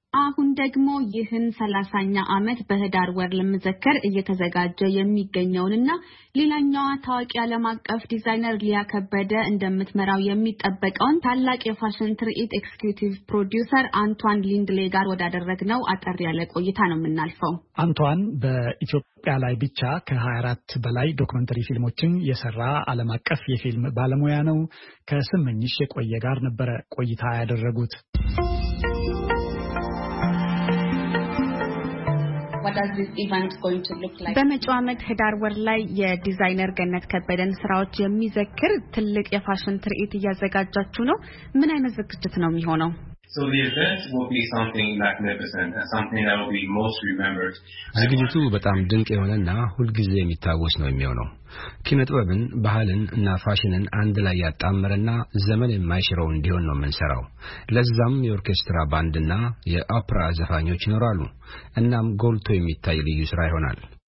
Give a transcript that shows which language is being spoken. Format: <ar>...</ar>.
<am>አሁን ደግሞ ይህን 30ኛ ዓመት በህዳር ወር ለምዘከር እየተዘጋጀ የሚገኘውንና ሌላኛዋ ታዋቂ ዓለም አቀፍ ዲዛይነር ሊያ ከበደ እንደምትመራው የሚጠበቀውን ታላቅ የፋሽን ትርኢት ኤክስኪዩቲቭ ፕሮዲውሰር አንቷን ሊንድሌ ጋር ወዳደረግነው አጠር ያለ ቆይታ ነው የምናልፈው። አንቷን በኢትዮጵያ ላይ ብቻ ከ24 በላይ ዶክመንተሪ ፊልሞችን የሰራ ዓለም አቀፍ የፊልም ባለሙያ ነው። ከስምኝሽ የቆየ ጋር ነበረ ቆይታ ያደረጉት።</am> <en>What does this event going to look like?</en> <am>በመጪው ዓመት ህዳር ወር ላይ የዲዛይነር ገነት ከበደን ስራዎች የሚዘክር ትልቅ የፋሽን ትርኢት እያዘጋጃችሁ ነው። ምን አይነት ዝግጅት ነው የሚሆነው?</am> <en>So the event will be something magnificent, something that will be most remembered.</en> <am>ዝግጅቱ በጣም ድንቅ የሆነና ሁልጊዜ የሚታወስ ነው የሚሆነው። ኪነጥበብን ባህልን እና ፋሽንን አንድ ላይ ያጣመረና ዘመን የማይሽረው እንዲሆን ነው መንሰራው። ለዛም የኦርኬስትራ ባንድና የአፕራ ዘፋኞች ይኖራሉ። እናም ጎልቶ የሚታይ ልዩ ስራ ይሆናል።</am>